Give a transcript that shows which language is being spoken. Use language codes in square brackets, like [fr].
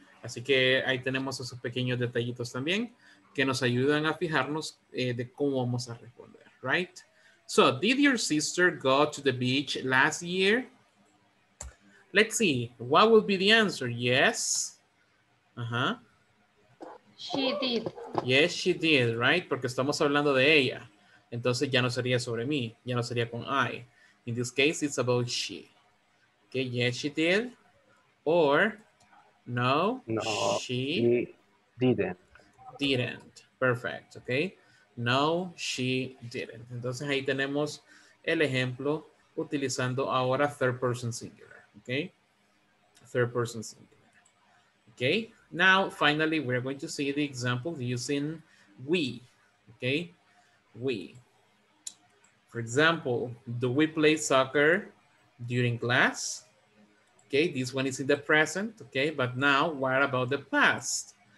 [es] Así que ahí tenemos esos pequeños detallitos también que nos ayudan a fijarnos de cómo vamos a responder, right? [en] So, did your sister go to the beach last year? Let's see. What would be the answer? Yes. Uh-huh. She did. Yes, she did, right? [es] Porque estamos hablando de ella. Entonces, ya no sería sobre mí. Ya no sería con I. [en] In this case, it's about she. Okay, yes, she did. Or, no, no she didn't. Didn't. Perfect, okay. No, she didn't. [es] Entonces ahí tenemos el ejemplo utilizando ahora third person singular. [en] Okay. Third person singular. Okay. Now, finally, we're going to see the example using we. Okay. We. For example, do we play soccer during class? Okay. This one is in the present. Okay. But now, what about the past?